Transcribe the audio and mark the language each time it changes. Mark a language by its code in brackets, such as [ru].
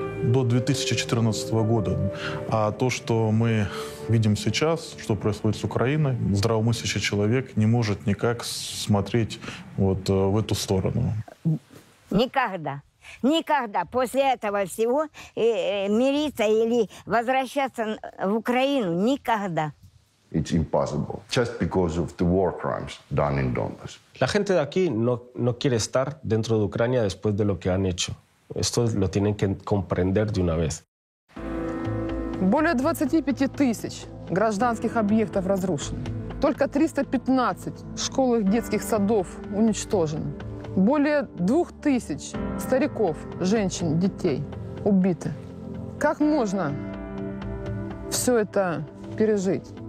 [ru] До 2014 года. А то, что мы видим сейчас, что происходит с Украиной, здравомыслящий человек не может никак смотреть вот в эту сторону. Никогда. Никогда после этого всего мириться или возвращаться в Украину. Никогда. [en] It's impossible. Just because of the war crimes done in Donbass. [es] La gente de aquí no quiere estar dentro de Ucrania después de lo que han hecho. Esto lo tienen que comprender de una vez. [ru] Более 25 тысяч гражданских объектов разрушено. Только 315 школ и детских садов уничтожено. Более 2000 стариков, женщин, детей убиты. Как можно все это пережить?